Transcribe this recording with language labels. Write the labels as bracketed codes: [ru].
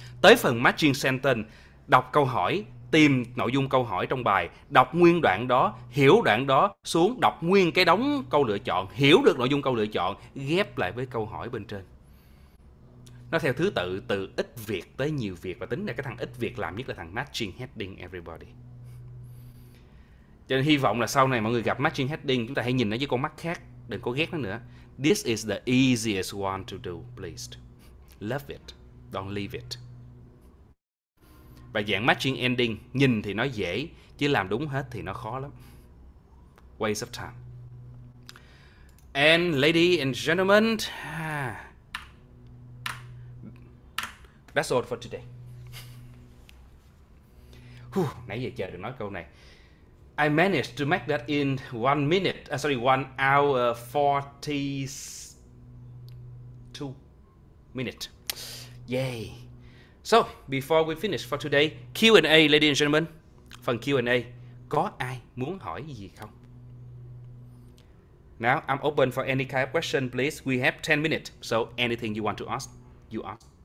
[vi] Tới phần matching sentence, đọc câu hỏi, tìm nội dung câu hỏi trong bài, đọc nguyên đoạn đó, hiểu đoạn đó, xuống đọc nguyên cái đống câu lựa chọn, hiểu được nội dung câu lựa chọn, ghép lại với câu hỏi bên trên. Nó theo thứ tự, từ ít việc tới nhiều việc, và tính ra cái thằng ít việc làm nhất là thằng matching heading everybody. Cho nên hy vọng là sau này mọi người gặp matching heading, chúng ta hãy nhìn nó với con mắt khác. Đừng có ghét nó nữa. [en] This is the easiest one to do, please. Love it. Don't leave it. [vi] Và dạng matching ending, nhìn thì nó dễ, chứ làm đúng hết thì nó khó lắm. [en] Waste of time. And ladies and gentlemen, that's all for today. [vi] Whew, nãy giờ chờ được nói câu này. [en] I managed to make that in 1 minute. Sorry, 1 hour 42 minutes. Yay. So, before we finish for today, Q&A, ladies and gentlemen. [vi] Phần Q&A, có ai muốn hỏi gì không? [en] Now, I'm open for any kind of question, please. We have 10 minutes, so anything you want to ask, you ask.